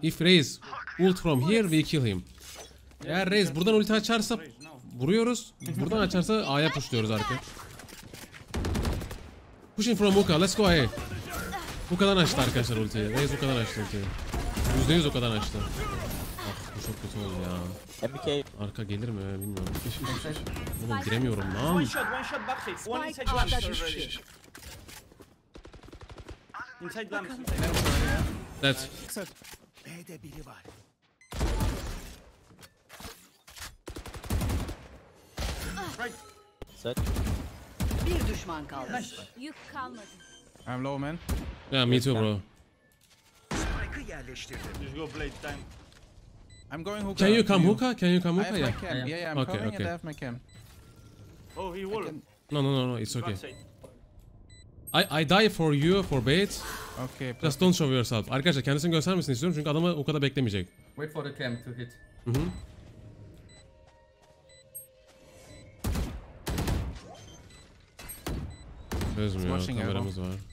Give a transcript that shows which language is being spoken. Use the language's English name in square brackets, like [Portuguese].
[English] If Raze ult from here we kill him. [Turkish] Eğer Raze buradan ulti açarsa vuruyoruz. Buradan açarsa A'ya pushluyoruz artık. [English] Pushing from hookah. Let's go A. [Turkish] Hookah'dan açtı arkadaşlar ultiyi. Raze hookah'dan açtı ultiyi. %100 hookah'dan açtı. Çok kötü oldu ya. MK. Arka gelir mi bilmiyorum. Oğlum giremiyorum lan. [English] One shot, one shot back hit. One inside lamp. Inside lamp. Dead. [Turkish] B'de biri var. [English] Set. [Turkish] Bir düşman kaldı. Yük kalmadı. [English] I'm low man. Yeah, me too bro. [Turkish] Spike'ı yerleştirdim. [English] Just go blade time. I'm going hookah. Can you come hookah? Can you come hookah? Yeah. Yeah, yeah, I'm coming. Okay. I have my cam. Oh, he will. No, it's okay. I die for you for bait. Okay. Perfect. Just don't show yourself. [Turkish] Arkadaşlar kendisini göstermesini istiyorum çünkü adamı hookah'da beklemeyecek. [English] Wait for the cam to hit. Mm-hmm. [Turkish] Çözmüyor, kameramız var.